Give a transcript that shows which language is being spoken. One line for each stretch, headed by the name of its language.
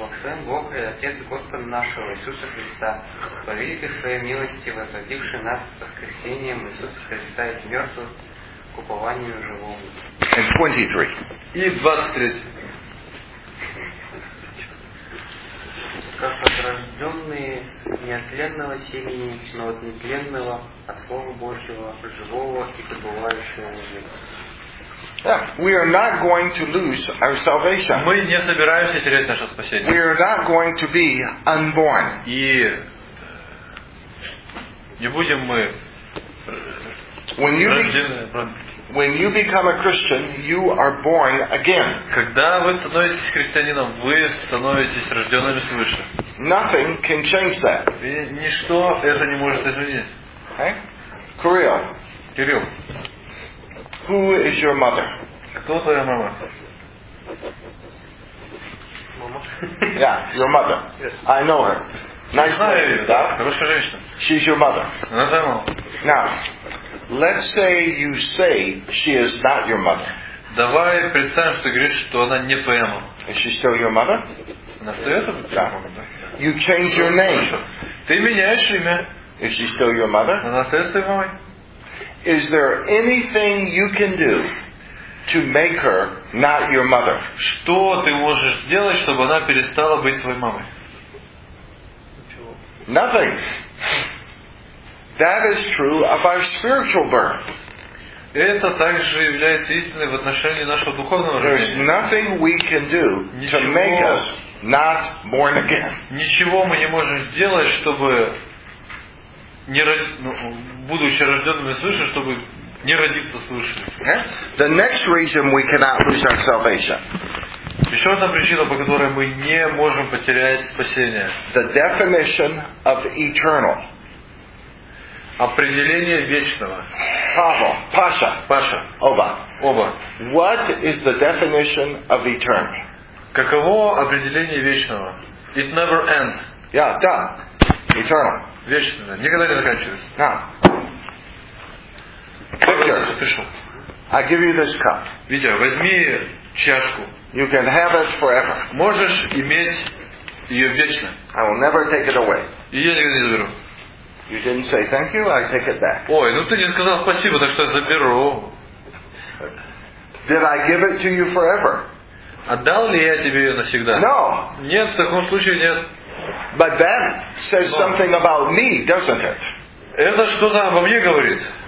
Russian: Благословен Бог и Отец Господа нашего Иисуса Христа, по великой своей милости, возродивший нас воскресением Иисуса Христа из мертвых к упованию живому.
English: And 23.
Russian: И 23. Как возрожденные не от тленного семени, но от нетленного, от Слова Божьего, живого и пребывающего в жизни.
English: Yeah, we are not going to lose our salvation.
Russian: Мы не собираемся терять наше спасение.
English: We are not going to be unborn.
Russian: И не будем мы.
English: When you become a Christian, you are born again.
Russian: Когда вы становитесь христианином, вы становитесь рожденными свыше.
English: Nothing can change that.
Russian: Ничто это не может изменить. Кирилл. Кирилл.
English: Who is your mother?
Russian: Кто твоя мама? Мама.
English: Yeah, your mother. Yes. I know her. Nice lady.
Russian: Да? Хорошая женщина.
English: She's your mother.
Russian: Она твоя мама.
English: Now, let's say you say she is not your mother.
Russian: Давай представим, что ты говоришь, что она не твоя мама.
English: Is she still your mother?
Russian: Она остается? Да.
English: You change your name.
Russian: Ты меняешь имя.
English: Is she still your mother?
Russian: Она остается твоей мамой.
English: Is there anything you can do to make her not your mother?
Russian: Что ты можешь сделать, чтобы она перестала быть твоей мамой?
English: Nothing. That is true of our spiritual birth.
Russian: Это также является истиной в отношении нашего духовного рождения.
English: There is nothing we can do to make us not born again.
Russian: Ничего мы не можем сделать, чтобы не род... будучи рожденными свыше, чтобы не родиться свыше.
English: The next reason we cannot lose our salvation.
Russian: Еще одна причина, по которой мы не можем потерять спасение.
English: The definition of eternal.
Russian: Определение вечного. Павел, Паша. Паша. Оба. Оба.
English: What is the definition of eternal?
Russian: Каково определение вечного?
English: It never ends. Yeah,
Russian: да.
English: Eternal.
Russian: Вечное. Никогда не заканчивается.
English: Now. Victor, I give you this cup.
Russian: Витя, возьми чашку.
English: You can have it forever.
Russian: Можешь иметь ее вечно.
English: I will never take it away.
Russian: И я никогда не заберу.
English: You didn't say thank you, I take it back.
Russian: Ой, ну ты не сказал спасибо, так что я заберу.
English: Did I give it to you forever?
Russian: Отдал ли я тебе ее навсегда?
English: No.
Russian: Нет, в таком случае нет.
English: But that says something about me, doesn't it?
Russian: Это что-то обо мне говорит.